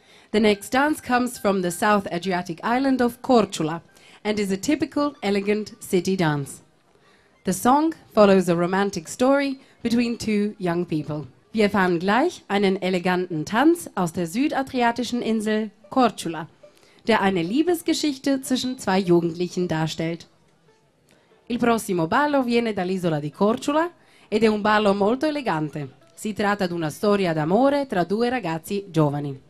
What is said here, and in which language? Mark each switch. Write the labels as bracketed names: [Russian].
[English] The next dance comes from the South Adriatic island of Korčula and is a typical elegant city dance. The song follows a romantic story between two young people. [German] Wir fahren gleich einen eleganten Tanz aus der südadriatischen Insel Korčula, der eine Liebesgeschichte zwischen zwei Jugendlichen darstellt. [Italian] Il prossimo ballo viene dall'isola di Korčula ed è un ballo molto elegante. Si tratta di una storia d'amore tra due ragazzi giovani.